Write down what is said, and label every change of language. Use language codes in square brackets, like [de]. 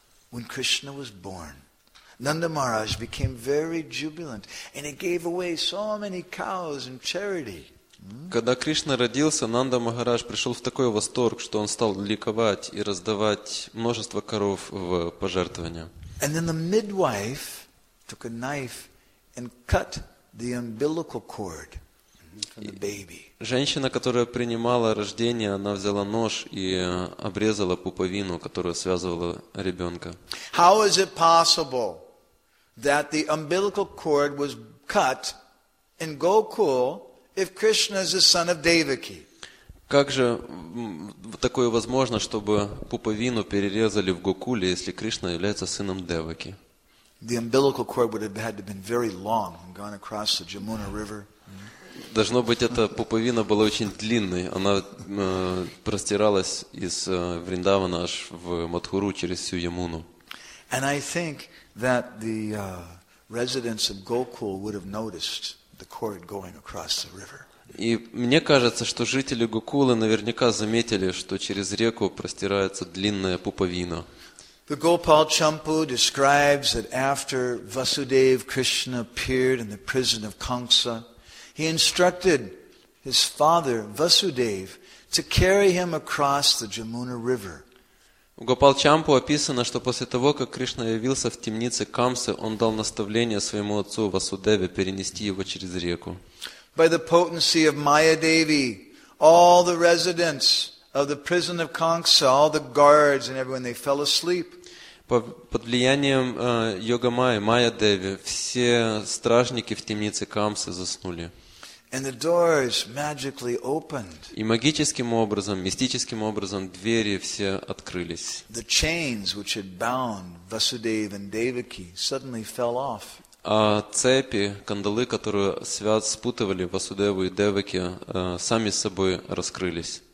[en] When Krishna was born, Nanda Maharaj became very jubilant and he gave away so many cows in charity. [ru] Когда Кришна родился, Нанда Махарадж пришел в такой восторг, что он стал ликовать и раздавать множество коров в пожертвования. [en] And then the midwife took a knife and cut the umbilical cord from the baby. [ru] Женщина, которая принимала рождение, она взяла нож и обрезала пуповину, которая связывала ребенка. [en] How is it possible that the umbilical cord was cut in Gokul if Krishna is the son of Devaki? [ru] Как же такое возможно, чтобы пуповину перерезали в Гокуле, если Кришна является сыном Деваки? [en] The umbilical cord would have had to have been very long and gone across the Jamuna River. [ru] Должно быть, эта пуповина была очень длинной. Она простиралась из Вриндавана аж в Матхуру через всю Ямуну. [en] And I think that the residents of Gokul would have noticed the cord going across the river. [ru] И мне кажется, что жители Гокулы наверняка заметили, что через реку простирается длинная пуповина. [en] The Gopal Champu describes that after Vasudev Krishna appeared in the prison of Kamsa, he instructed his father Vasudev to carry him across the Jamuna River. [ru] В Гопалчампу описано, что после того, как Кришна явился в темнице Камсы, он дал наставление своему отцу Васудеве перенести его через реку. [en] By the potency of Mayadevi, all the residents of the prison of Kangsa, all the guards and everyone, they fell asleep. [ru] Под влиянием Йогамайи, Майя Деви, все стражники в темнице Камсы заснули. [en] And the doors magically opened. [ru] И магическим образом, мистическим образом двери все открылись. [en] The chains which had bound Vasudeva and Devaki suddenly fell off. [ru] А цепи, кандалы, которые спутывали Васудеву и Деваки, сами с собой раскрылись.